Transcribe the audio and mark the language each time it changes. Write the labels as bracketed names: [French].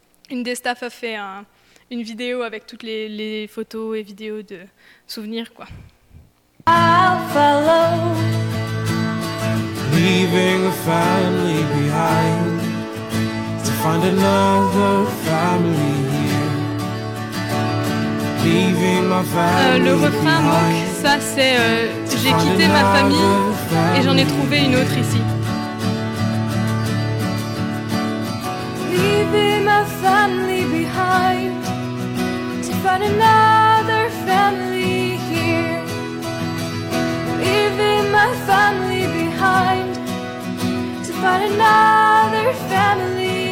[French] Une des staff a fait une vidéo avec toutes les photos et vidéos de souvenirs, quoi. [English] I'll follow, leaving a family behind, to find another family. [French] Le refrain, donc, ça c'est j'ai quitté ma famille et j'en ai trouvé une autre ici. [English] Leaving my family behind, to find another family here. Leaving my family behind, to find another family.